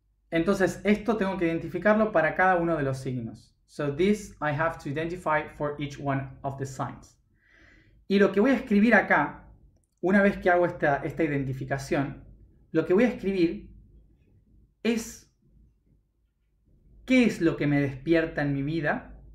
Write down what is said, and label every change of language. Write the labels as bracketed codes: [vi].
[es] Entonces, esto tengo que identificarlo para cada uno de los signos. [en] So this I have to identify for each one of the signs. [es] Y lo que voy a escribir acá, una vez que hago esta identificación, lo que voy a escribir es qué es lo que me despierta en mi vida.